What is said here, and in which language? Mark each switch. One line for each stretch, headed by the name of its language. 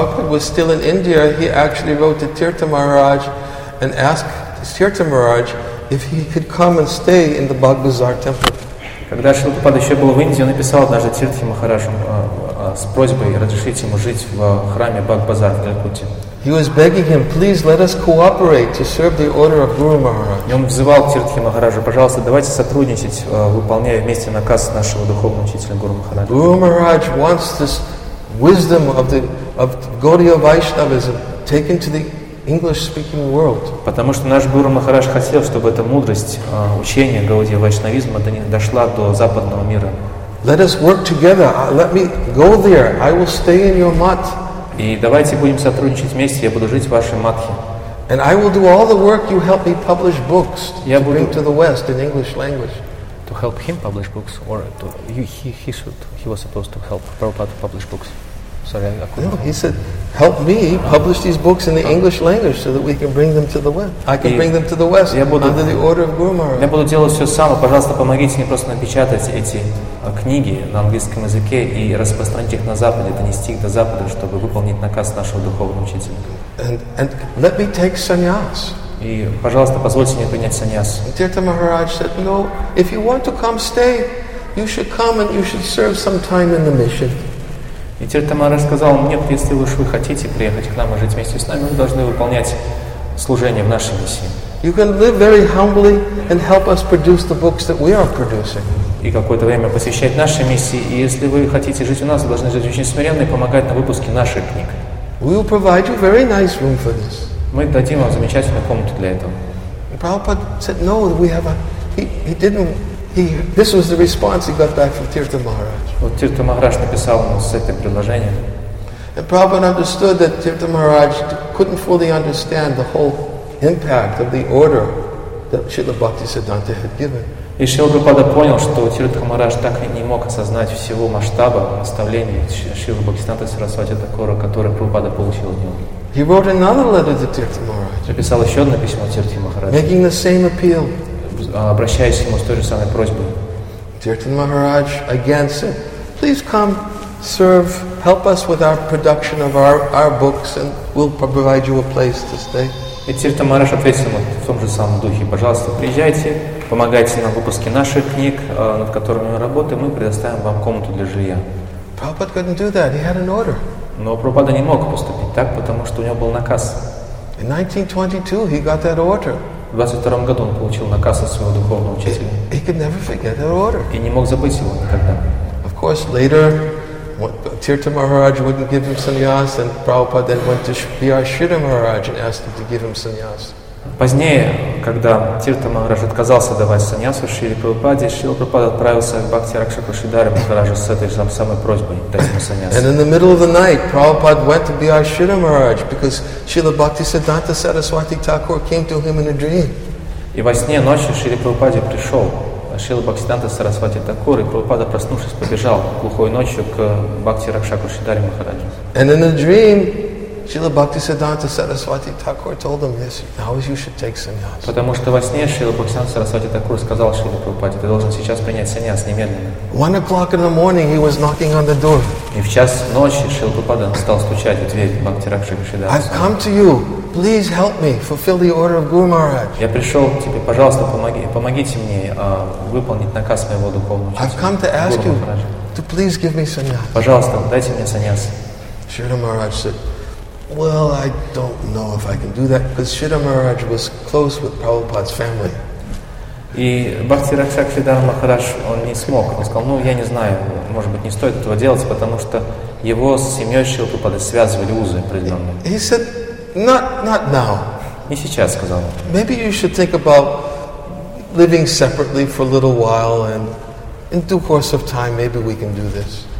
English: When Prabhupada was still in India, he actually wrote to Tirtha Maharaj and asked Tirtha Maharaj if he could come and stay in the Bagh Bazar temple.
Russian: Когда Шрила Прабхупада еще был в Индии, он написал однажды Тиртхи Махараджу с просьбой разрешить ему жить в храме Багх Базар в Калькутте.
English: He was begging him, please let us cooperate to serve the order of Guru Maharaj.
Russian: И он взывал Тиртхи Махараджа, пожалуйста, давайте сотрудничать, выполняя вместе наказ нашего духовного учителя Гуру Махараджа.
English: Guru Maharaj wants this wisdom of Gaudiya Vaishnavism taken to the English-speaking world.
Russian: Потому что наш Гуру Махарадж хотел, чтобы эта мудрость учения Гаудия Вайшнавизма дошла до западного мира.
English: Let us work together. Let me go there. I will stay in your mat.
Russian: И давайте будем сотрудничать вместе. Я буду жить в вашей матхе.
English: And I will do all the work you help me publish books to bring to the West in English language. To help him publish books, or to, he was supposed to help Prabhupada publish books. Sorry, I couldn't. No, he said, help me publish these books in the English language so that we can bring them to the West. I can bring them to the West under the order of Guru Maharaj.
Russian: Я буду делать все сам. Пожалуйста, помогите мне просто напечатать эти книги на английском языке и распространить их на Западе, донести их до Запада, чтобы выполнить наказ нашего духовного учителя.
English: And let me take sannyas.
Russian: И, пожалуйста, позвольте мне принять саньяс.
English: Tirtha Maharaj said, no, if you want to come stay, you should come and you should serve some time in the mission.
Russian: И Тирта Махарадж сказал, нет, если уж вы хотите приехать к нам и жить вместе с нами, вы должны выполнять служение в нашей миссии.
English: You can live very humbly and help us produce the books that we are producing.
Russian: И какое-то время посвящать нашей миссии, и если вы хотите жить у нас, вы должны жить очень смиренно и помогать на выпуске наших книг.
English: We will provide you very nice room for this.
Russian: Мы дадим вам замечательную комнату для этого.
English: Prabhupada said, no, we have a... He didn't... This was the response he got back from Tirtha Maharaj.
Russian: Вот Тирта Махарадж написал ему с этим предложением.
English: And Prabhupada understood that Tirtha Maharaj couldn't fully understand the whole impact of the order that Srila Bhaktisiddhanta had given.
Russian: И Шрила Прабхупада понял, что Тиртха Махарадж так и не мог осознать всего масштаба наставления Шрилы Бхактисиддханты Сарасвати Такура, которое Прабхупада получил от него.
English: He wrote another letter to Tirtha Maharaj.
Russian: Написал еще одно письмо Тиртхе Махараджу.
English: Making the same appeal.
Russian: Обращаясь к нему с той же самой просьбой.
English: Tirtha Maharaj again said, please come, serve, help us with our production of our books and we'll provide you a place to stay.
Russian: И Тиртха Махарадж ответил ему в том же самом духе, пожалуйста, приезжайте. Помогайте нам в выпуске наших книг, над которыми мы работаем, мы предоставим вам комнату для жилья.
English: Prabhupada couldn't do that. He had an order.
Russian: Но Прабхупада не мог поступить так, потому что у него был наказ.
English: In 1922 he got that order.
Russian: В 22-м году он получил наказ от своего духовного учителя.
English: He could never forget that order.
Russian: И не мог забыть его никогда.
English: Of course, later, Tirtha Maharaj wouldn't give him sannyas, and Prabhupada then went to Vyashrita Maharaj and asked him to give him sannyas.
Russian: Позднее, когда Тирта Махарадж отказался давать саньясу Шриле Прабхупаде, Шрила Прабхупада отправился к Бхакти Ракшака Шридхаре Махараджу с этой же самой просьбой дать ему саньясу.
English: And in the middle of the night, Prabhupada went to B.R. Shrila Maharaj because Shrila Bhakti Siddhanta Saraswati Thakur came to him in a dream.
Russian: И во сне ночью Шриле Прабхупаде пришел Шрила Бхактисиддханта Сарасвати Такур, и Прабхупада, проснувшись, побежал глухой ночью к Бхакти Ракшаку Шридхаре Махараджу.
English: And in a dream, Srila Bhaktisiddhanta Saraswati Thakur told him, yes, now you should take sannyas.
Russian: Потому что во сне Srila Bhaktisiddhanta Saraswati Thakur сказал Шриле Прабхупаде, ты должен сейчас принять саньяс немедленно.
English: 1 o'clock in the morning he was knocking on the door.
Russian: И в час ночи Шрила Прабхупада стал стучать в дверь Бхакти Ракшака Шридхаре.
English: I've come to you. Please help me fulfill the order of Guru Maharaj.
Russian: Я пришел к тебе, пожалуйста, помогите мне выполнить наказ моего духовного учителя.
English: I've come to ask you to please give me sannyas.
Russian: Пожалуйста, дайте мне саньяс.
English: Srila Maharaj said, well, I don't know if I can do that because Srila Maharaj was close with Prabhupada's family.
Russian: И Бхакти Ракшак Шридхара Махарадж, он не смог. Он сказал, ну, я не знаю, может быть, не стоит этого делать, потому что его с семьей Шрила Прабхупады связывали узы определенные.
English: He said, not now.
Russian: Не сейчас, сказал он.
English: Maybe you should think about living separately for a little while and in due course of time, maybe we can do this.